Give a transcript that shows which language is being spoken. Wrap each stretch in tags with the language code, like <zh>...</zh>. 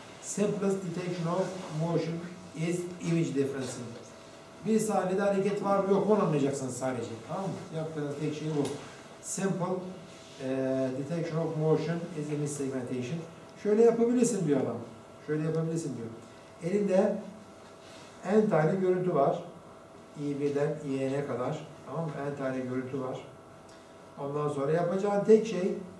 <en>Simplest detection of motion is image difference.</en> <tr>Bir sahnede hareket var mı yok onu anlayacaksınız sadece. Tamam mı? Yaptığınız tek şey bu.</tr> <en>Simple detection of motion is image segmentation.</en> <tr>Şöyle yapabilirsin diyor adam. Şöyle yapabilirsin diyor. Elinde N tane görüntü var. İ1'den İN'e kadar. Tamam mı? N tane görüntü var. Ondan sonra yapacağın tek şey</tr>